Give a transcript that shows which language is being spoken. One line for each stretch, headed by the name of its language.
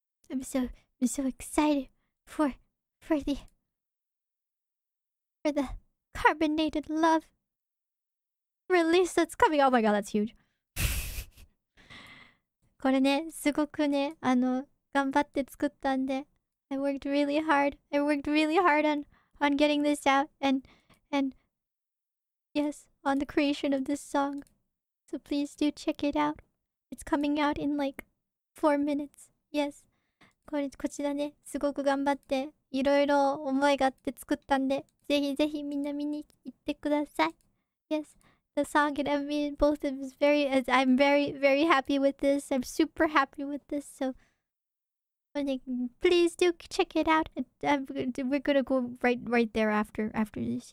English: I'm so excited for the carbonated love release that's coming. Oh my god, that's huge.
Japanese: これね、すごくね、頑張って作ったんで。
English: I worked really hard on getting this out and yes, on the creation of this song. So please do check it out. It's coming out in like 4 minutes. Yes.
Japanese: こちらね、すごく頑張って、いろいろ思いがあって作ったんで、ぜひぜひみんな見に行ってください。
English: Yes. The song and MV, both of is very, as I'm very, very happy with this. I'm super happy with this. So, please do check it out. We're gonna go right there after this.